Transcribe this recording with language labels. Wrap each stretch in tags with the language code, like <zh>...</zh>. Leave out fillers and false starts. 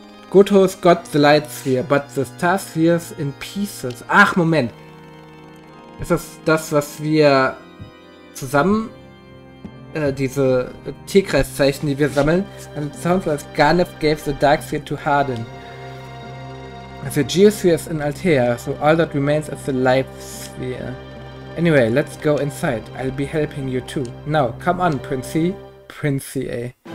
<en>Goto's got the Light Sphere, but the Star Sphere's in pieces.</en> <de>Ach, Moment! Ist das das, was wir zusammen, diese Tierkreiszeichen, die wir sammeln?</de> <en>And it sounds like Garnet gave the Dark Sphere to Hardin. The Geosphere is in Altair, so all that remains is the Life Sphere. Anyway, let's go inside. I'll be helping you too. Now, come on, Princey. Princey, eh?</en>